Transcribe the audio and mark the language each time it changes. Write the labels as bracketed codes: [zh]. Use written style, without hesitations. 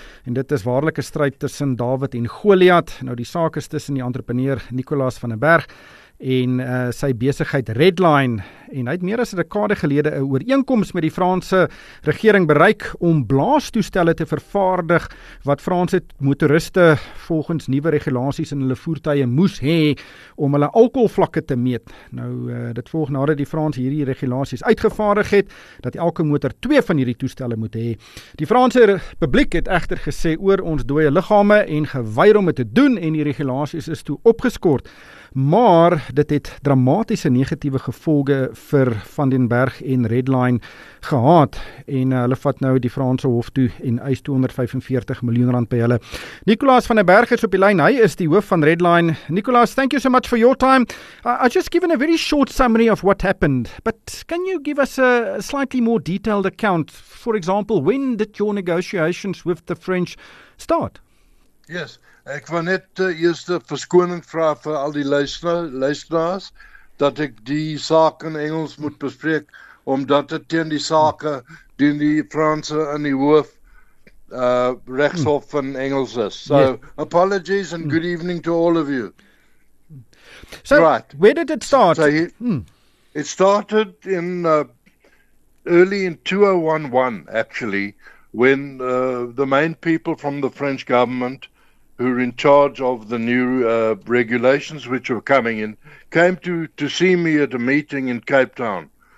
[af] En dit is waarlik 'n stryd tussen David en Goliath. Nou die saak is tussen die entrepreneur Nicolas van den Berg en sy besigheid Redline. En hy het meer as 'n dekade gelede 'n ooreenkoms met die Franse regering bereik om blaastoestelle te vervaardig wat Franse motoriste volgens nuwe regulasies in hulle voertuie moes hê om hulle alkoholvlakke te meet. Nou dit volg nadat die Franse hierdie regulasies uitgevaardig het dat elke motor 2 van hierdie toestelle moet hê. Die Franse publiek het egter gesê oor ons dooie liggame en geweier om dit te doen en die regulasies is toe opgeskort. Maar dit het dramatiese negatiewe gevolge vir Van den Berg en Redline gehad en hulle vat nou die Franse hof toe en eis 245 miljoen rand by hulle. Nicolas van den Berg is op die lyn. Hy is die hoof van Redline. [en] Nicolas, thank you so much for your time. I just given a very short summary of what happened, but can you give us a slightly more detailed account? For example, when did your negotiations with the French start? [af] Yes, ek wou net eerste verskoning vra vir al die luisteraars dat ek die saak in Engels moet bespreek, omdat het teen die saak doen die Franse in die hoof rechtshof van Engels is. [en] So, apologies and good evening to all of you. So, right. Where did it start? So, it started in early in 2011, actually, when the main people from the French government who were in charge of the new regulations which were coming in, came to see me at a meeting in Cape Town.